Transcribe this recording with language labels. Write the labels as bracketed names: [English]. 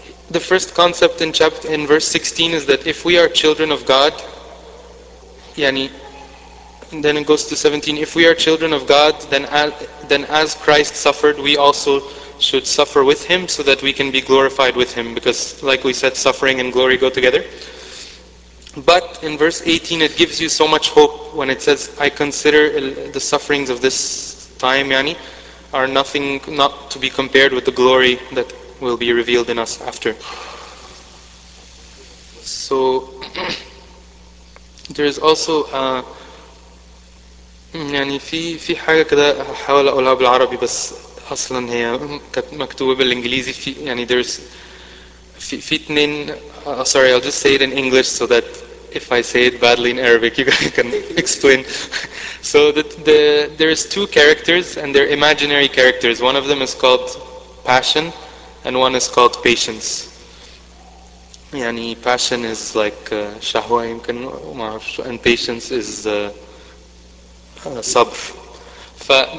[English] The first concept in verse 16 is that if we are children of God, yani, and then it goes to 17, if we are children of God, then as Christ suffered, we also should suffer with Him so that we can be glorified with Him, because like we said, suffering and glory go together. But in verse 18 it gives you so much hope when it says, I consider the sufferings of this time, yani, are nothing not to be compared with the glory that will be revealed in us after. So there is also [Arabic] يعني في حاجة كده هحاول أقولها بالعربي بس اصلا هي كانت مكتوبه بالانجليزي. في يعني [English] there's [Arabic] في اتنين, [English] sorry I'll just say it in English so that if I say it badly in Arabic you can explain. So there is two characters and they're imaginary characters. One of them is called passion and one is called patience. [Arabic] يعني [English] passion is like [Arabic] شهوة يمكن ما أعرفش, [English] and patience is صبر.